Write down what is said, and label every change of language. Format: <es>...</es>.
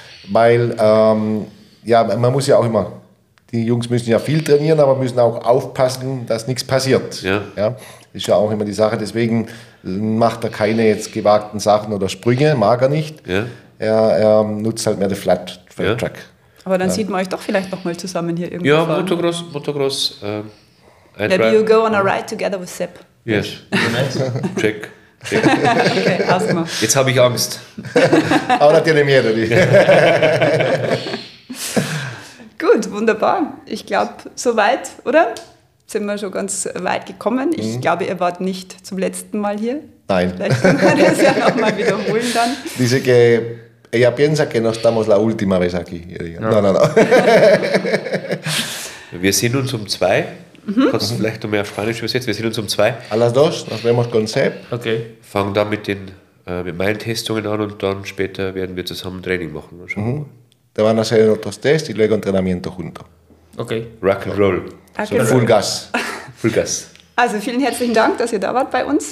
<de>Weil, ja, man muss ja auch immer, die Jungs müssen ja viel trainieren, aber müssen auch aufpassen, dass nichts passiert. Ja. Ja, ist ja auch immer die Sache, deswegen macht er keine jetzt gewagten Sachen oder Sprünge, mag er nicht. Ja. Er nutzt halt mehr den Flat-Track. Aber dann sieht man euch doch vielleicht nochmal zusammen hier irgendwo. Ja, fahren. Motocross.</de> <en>Maybe you go on a ride together with Sepp. Yes. Check. Okay, ask mal.</en> <de>Jetzt habe ich Angst. Aber natürlich nicht mehr, oder wie? Gut, wunderbar. Ich glaube, soweit, oder? Sind wir schon ganz weit gekommen. Ich glaube, ihr wart nicht zum letzten Mal hier. Nein. Vielleicht können wir das ja nochmal wiederholen dann.</de> <es>Dice que ella piensa que no estamos la última vez aquí. No.</es> <de>Wir sehen uns um zwei. Kannst du vielleicht noch mehr Spanisch übersetzen? Wir sehen uns um zwei.</de> <es>A las dos, nos vemos con Sepp. Okay.</es> <de>Fangen dann mit meinen Testungen an und dann später werden wir zusammen Training machen. Mal schauen.</de> <es>Te van a hacer otros test y luego entrenamiento junto. Okay.</es> <en>Rock and roll. Okay. So, full gas. Full gas.</en> <de>Also vielen herzlichen Dank, dass ihr da wart bei uns.</de>